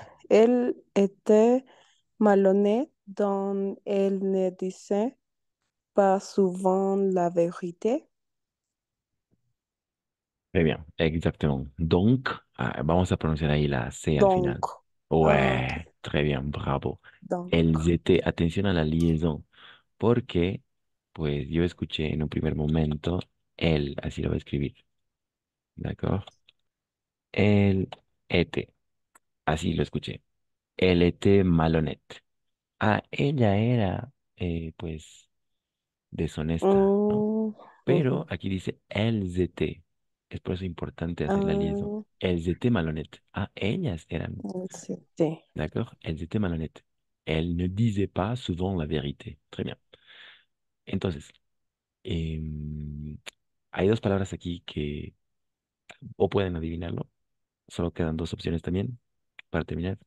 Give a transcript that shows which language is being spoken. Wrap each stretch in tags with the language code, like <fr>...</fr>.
<fr>Él était malhonnête, donc il ne disait pas souvent la vérité. Très bien, exactement.</fr> <es>Donc, vamos a prononcer ahí la C al</es> <fr>Donc,</fr> <es>final. ah, ok.</es> <fr>Ouais, très bien, bravo. Donc. Elles étaient, attention à la liaison,</fr> <es>porque, pues yo escuché en un primer momento, él, así lo va a escribir.</es> <fr>D'accord.</fr> <es>Él</es> <fr>était.</fr> <es>Así lo escuché. Él</es> <fr>était malhonnête.</fr> <es>Ah, ella era, pues, deshonesta, ¿no? Pero aquí dice</es> <fr>elles étaient.</fr> <es>Es por eso importante hacer la liaison.</es> <fr>Elles étaient malhonnêtes.</fr> <es>Ah, ellas eran.</es> <fr>C'était. D'accord. Elles étaient malhonnêtes. Elle ne disait pas souvent la vérité. Très bien.</fr> <es>Entonces, hay dos palabras aquí que. O pueden adivinarlo. Solo quedan dos opciones también para terminar.</es>